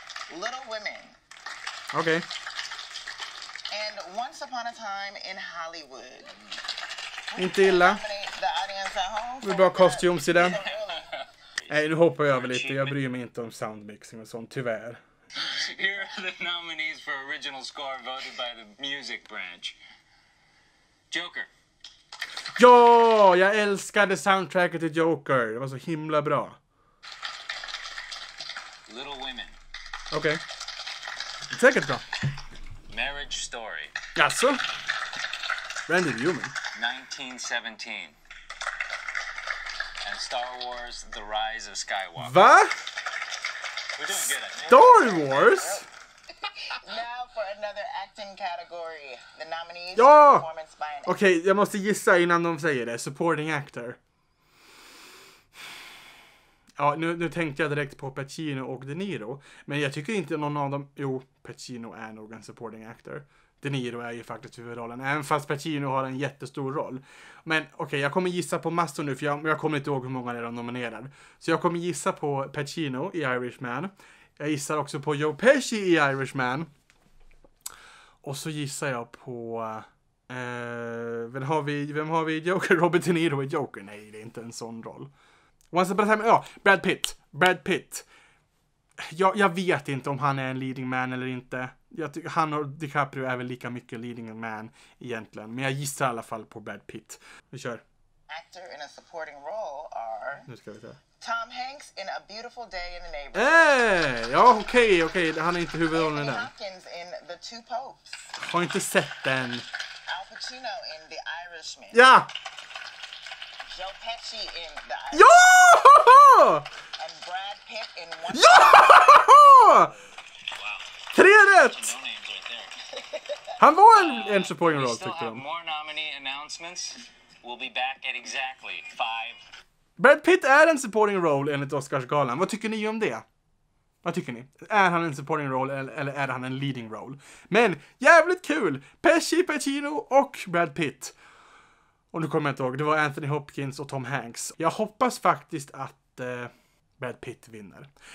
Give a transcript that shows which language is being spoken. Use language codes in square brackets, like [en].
[en] Little Women. [sv] Okej. [en] Okay. And Once Upon a Time in Hollywood. [sv] Inte illa. Vi bara kostyms i den. Nej, nu hoppar jag över lite. Jag bryr mig inte om soundmixing och sånt, tyvärr. [en] Here are the nominees for original score voted by the music branch. Joker. [sv] Ja, jag älskade soundtracket till Joker. Det var så himla bra. [en] Little Women. [sv] Okej. Okay. Säkert bra. [en] Marriage Story. [sv] Jaså? Randy Newman. [en] 1917. And Star Wars The Rise of Skywalker. [sv] Va? [en] We're doing good. Star Wars? Now for another acting category. The nominees for performance by an actor. [sv] Okej, jag måste gissa innan de säger det. Supporting actor. Ja, nu tänkte jag direkt på Pacino och De Niro. Men jag tycker inte någon av dem. Jo, Pacino är nog en supporting actor. De Niro är ju faktiskt huvudrollen. Även fast Pacino har en jättestor roll. Men okej, jag kommer gissa på massor nu. För jag kommer inte ihåg hur många de nominerar. Så jag kommer gissa på Pacino i Irishman. Jag gissar också på Joe Pesci i Irishman. Och så gissar jag på... Vem har vi i Joker? Robert De Niro i Joker? Nej, det är inte en sån roll. Once upon a time... Ja, Brad Pitt. Jag vet inte om han är en leading man eller inte. Jag tycker han och DiCaprio är väl lika mycket leading man egentligen. Men jag gissar i alla fall på Brad Pitt. Vi kör. [en] actor in a supporting role are... [sv] Nu ska vi ta. [en] Tom Hanks in A Beautiful Day in the Neighborhood. [sv] Hey! Ja, okej, okej. Han är inte huvudrollen [en] där. Anthony Hopkins in The Two Popes. [sv] Har inte sett den. [en] Al Pacino in The Irishman. [sv] Ja! [en] Joe Pesci in The [sv] Irishman. Ja! [en] And Brad Pitt in [sv] One. Ja! Wow. Tre rätt! Han var en supporting roll, tyckte de. [en] More nominee announcements. We'll be back at exactly 5. [sv] Brad Pitt är en supporting role enligt Oscarsgalan. Vad tycker ni om det? Vad tycker ni? Är han en supporting role eller är han en leading role? Men jävligt kul! Pesci, Pacino och Brad Pitt. Och nu kommer jag inte ihåg. Det var Anthony Hopkins och Tom Hanks. Jag hoppas faktiskt att Brad Pitt vinner.